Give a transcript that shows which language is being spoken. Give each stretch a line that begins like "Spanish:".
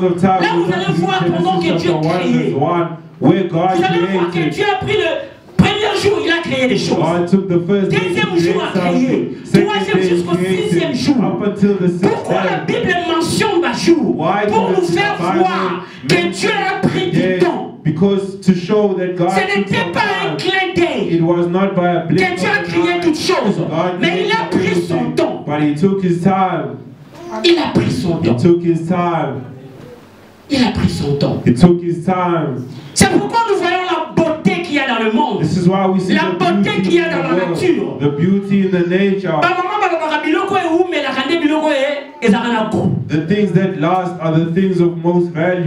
French: là, vous allez voir pendant que Dieu a créé. Vous allez voir que Dieu a pris le premier jour, il a créé des choses. Deuxième jour, a créé. Troisième jusqu'au sixième jour. Pourquoi la Bible mentionne un jour? Pour nous faire voir que Dieu a pris du temps.
English: Because to show that God it was not by a blink of an eye but he took his time
French: il a pris son
English: he
French: temps.
English: Took his time
French: Il a pris son temps.
English: It took his time.
French: C'est pourquoi nous voyons la beauté qu'il y a dans le monde.
English: This is why we see
French: la beauté qu'il y a dans la nature.
English: The beauty in the nature. The things that last are the things of most value.